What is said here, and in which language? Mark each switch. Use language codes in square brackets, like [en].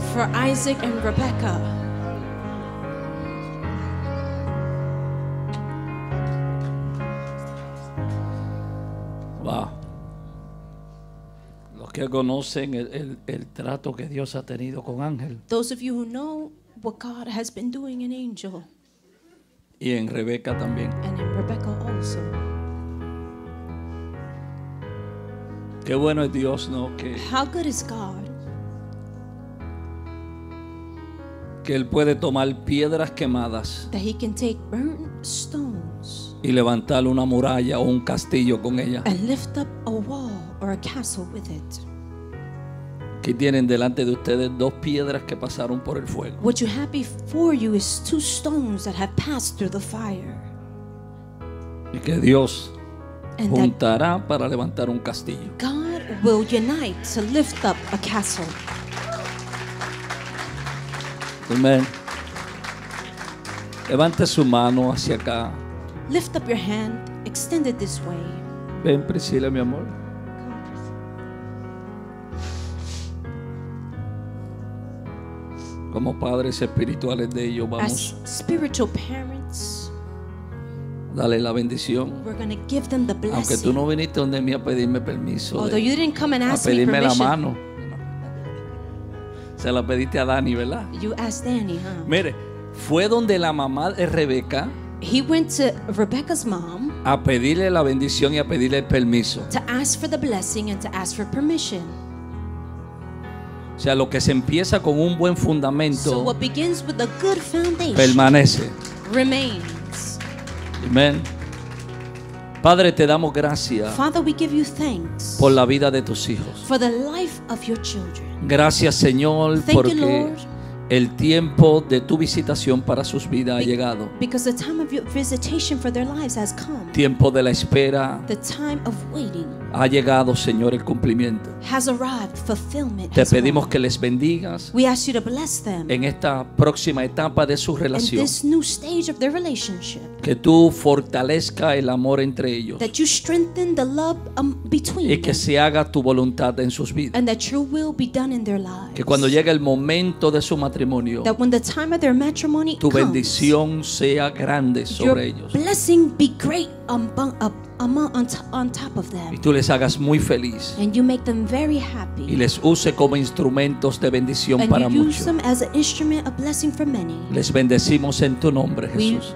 [en] For Isaac and Rebecca. Wow. [es] Los que conocen el trato que Dios ha tenido con Ángel. [en] Those of you who know what God has been doing in Angel. [es] Y en Rebeca también. [en] And in Rebecca also. [es] Qué bueno es Dios, ¿no? Que [en] how good is God? [es] Que él puede tomar piedras quemadas. [en] That he can take burnt stones. [es] Y levantar una muralla o un castillo con ella. [en] And lift up a wall or a castle with it. [es] Aquí tienen delante de ustedes dos piedras que pasaron por el fuego. [en] What you have before you is two stones that have passed through the fire. [es] Y que Dios juntará para levantar un castillo. [en] God will unite to lift up a castle. Amen. [es] Levante su mano hacia acá. [en] Lift up your hand, extend it this way. [es] Ven, Priscila, mi amor. Como padres espirituales de ellos, vamos. [en] As spiritual parents. [es] Dale la bendición. [en] We're gonna give them the blessing. [es] Aunque tú no viniste donde mí a pedirme permiso. [en] Although you didn't come and ask [es] a pedirme [en] me permission. [es] La mano. Se la pediste a Dani, ¿verdad? [en] You asked Danny, huh? [es] Mire, fue donde la mamá de Rebeca. [en] He went to Rebecca's mom. [es] A pedirle la bendición y a pedirle el permiso. [en] To ask for the blessing and to ask for permission. [es] O sea, lo que se empieza con un buen fundamento. [en] So what begins with a good foundation. [es] Permanece. [en] Remains. [es] Amen. Padre, te damos gracias. [en] Father, we give you thanks. [es] Por la vida de tus hijos. [en] For the life of your children. [es] Gracias, Señor. [en] Thank [es] porque [en] you, Lord, [es] el tiempo de tu visitación para sus vidas ha llegado. [en] Because the time of your visitation for their lives has come. [es] Tiempo de la espera. [en] The time of waiting. [es] Ha llegado, Señor, el cumplimiento. [en] Has arrived. Fulfillment. [es] Te pedimos que les bendigas. [en] We ask you to bless them. [es] En esta próxima etapa de su relación. [en] In this new stage of their relationship. [es] Que tú fortalezca el amor entre ellos. [en] That you strengthen the love between [es] them. Y que se haga tu voluntad en sus vidas. [en] And that your will be done in their lives. [es] Que cuando llegue el momento de su matrimonio. [en] That when the time of their matrimony [es] tu bendición [en] comes, [es] sea grande sobre [en] your [es] ellos. [en] Your blessing be great on top of them. [es] Y tú les hagas muy feliz. [en] And you make them very happy. [es] Y les use como instrumentos de bendición [en] and [es] para muchos. [en] And you use them as an instrument of blessing for many. [es] Les bendecimos en tu nombre, Jesús.